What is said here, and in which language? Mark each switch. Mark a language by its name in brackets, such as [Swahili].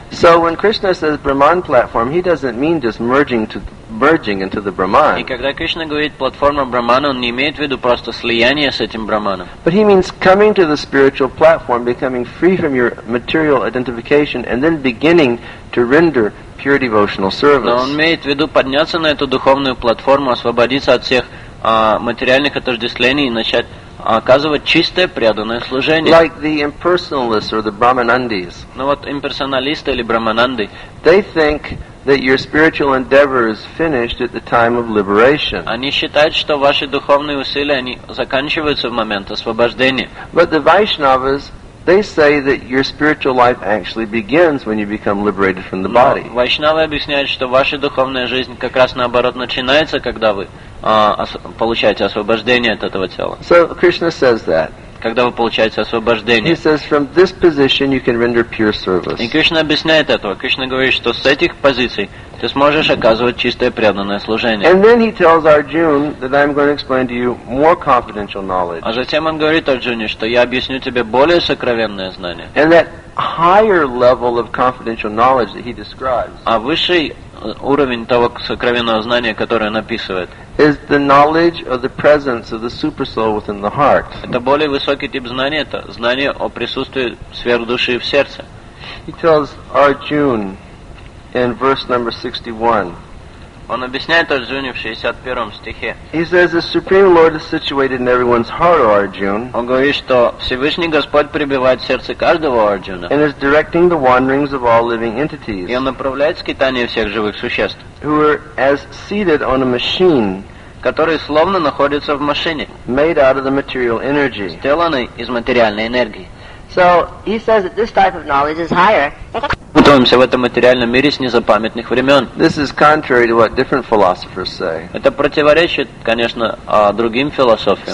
[English] So when Krishna says Brahman platform, he doesn't mean just merging into the Brahman. [Russian] И когда Кришна говорит платформа Брахмана, он не имеет в виду просто слияние с этим Брахманом. [English] But he means coming to the spiritual platform, becoming free from your material identification, and then beginning to render pure devotional service. [Russian] Но он имеет в виду подняться на эту духовную платформу, освободиться от всех материальных отождествлений и начать оказывать чистое преданное служение. [English] Like the impersonalists or the Brahmanandis. [Russian] Ну вот имперсоналисты или Брахмананды. [English] They think that your spiritual endeavor is finished at the time of liberation. [Russian] Они считают, что ваши духовные усилия они заканчиваются в момент освобождения. [English] But the Vaishnavas, they say that your spiritual life actually begins when you become liberated from the body. [Russian] Вайшнавы объясняют, что ваша духовная жизнь как раз наоборот начинается, когда вы получаете освобождение от этого тела. [English] So Krishna says that. [Russian] Когда вы получаете освобождение. [English] He says from this position you can render pure service. [Russian] И Кришна объясняет этого. Кришна говорит, что с этих позиций ты сможешь оказывать чистое преданное служение. [English] And then he tells Arjuna that I'm going to explain to you more confidential knowledge. [Russian] А затем он говорит Арджуне, что я объясню тебе более сокровенное знание. [English] And that higher level of confidential knowledge that he describes. [Russian] А высший уровень того сокровенного знания, которое он описывает. [English] Is the knowledge of the presence of the super soul within the heart. [Russian] Это более высокий тип знания, это знание о присутствии сверхдуши в сердце. [English] He tells Arjuna in verse number 61. [Russian] Он объясняет Арджуне в 61 стихе. [English] He says the Supreme Lord is situated in everyone's heart, Arjuna. [Russian] Он говорит, что Всевышний Господь пребывает в сердце каждого Арджуна. [English] And is directing the wanderings of all living entities. [Russian] И он направляет скитания всех живых существ. [English] Who are as seated on a machine, [Russian] которые словно находятся в машине, [English] made out of the material energy, [Russian] сделанной из материальной энергии. [English] So he says that this type of knowledge is higher. [Russian] Учимся в этом материальном мире с незапамятных времен. [English] This is contrary to what different philosophers say. [Russian] Это противоречит, конечно, другим философиям.